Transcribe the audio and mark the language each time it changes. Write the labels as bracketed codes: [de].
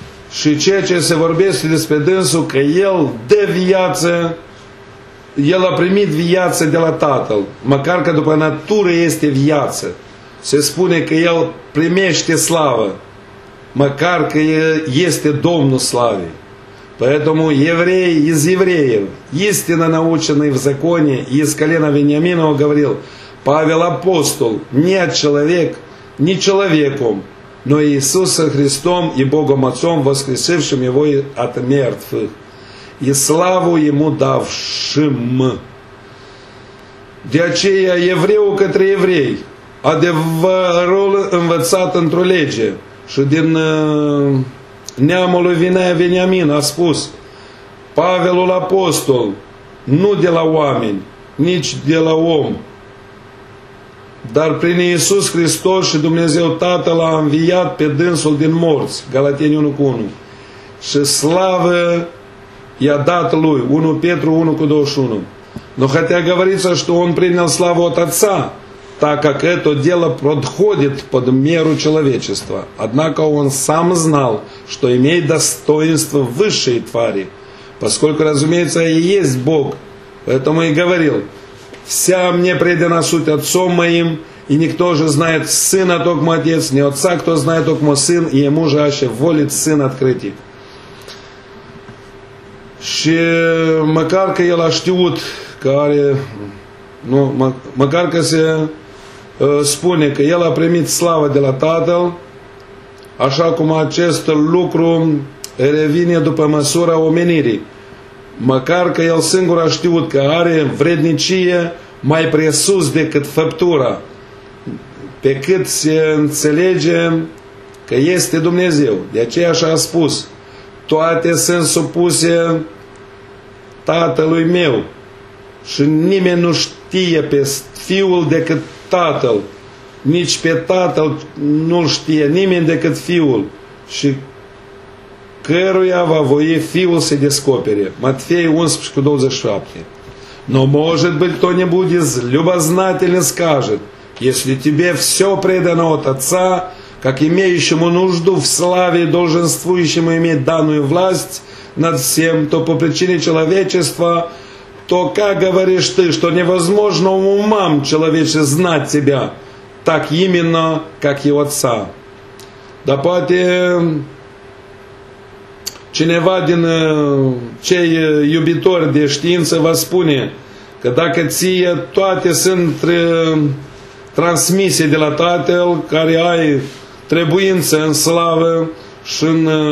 [ro] Și ceea ce se vorbește despre dânsul, că el dă viață, el a primit viață de la Tatăl, măcar că după natură este viață. Se spune că el primește slavă, măcar că este Domnul Slavii. [ru] Поэтому еврей из евреев, истинно наученный в законе, из колена Вениаминова, говорил Павел Апостол, нет человек, не человеком, но Иисуса Христом и Богом Отцом, воскресившим Его от мертвых, и славу Ему давшим. [ro] De aceea, евреул către еврей, adevărul învățat într-o lege, și din neamul lui Veniamin a spus, Павелul Апостол, nu de la oameni, nici de la om, dar prin Iisus Hristos și Dumnezeu Tatăl a înviat pe dânsul din morți, Galateni 1:1. Și slavă i-a dat lui, 1 Petru 1:21. [ru] Но хотя говорится, что он принял славу от Отца, так как это дело подходит под меру человечества. Однако он сам знал, что имеет достоинство высшей твари, поскольку, разумеется, и есть Бог. Поэтому и говорил: «Вся мне предана суть Отцом Моим, и никто же знает Сына, только Отец, не Отца, кто знает, только Сын, и Ему же аще волит Сын открыти». [ro] Și măcar că el a știut că are, nu, măcar că se spune că el a primit slavă de la Tatăl, așa cum acest lucru revine după măsura omenirii. Măcar că el singur a știut că are vrednicie mai presus decât făptura, pe cât se înțelege că este Dumnezeu. De aceea așa a spus, toate sunt supuse Tatălui meu și nimeni nu știe pe Fiul decât Tatăl, nici pe Tatăl nu-l știe nimeni decât Fiul și căruia va voie Fiul să descopere. Matfei 11:27. [ru] Но может быть кто-нибудь из любознательных скажет, если тебе все предано от Отца, как имеющему нужду в славе и долженствующему иметь данную власть над всем, то по причине человечества, то как говоришь ты, что невозможно умам человече знать тебя, так именно, как и Отца? Да поте... [ro] Cineva din cei iubitori de știință va spune că dacă ție toate sunt transmise de la Tatăl, care ai trebuință în slavă și în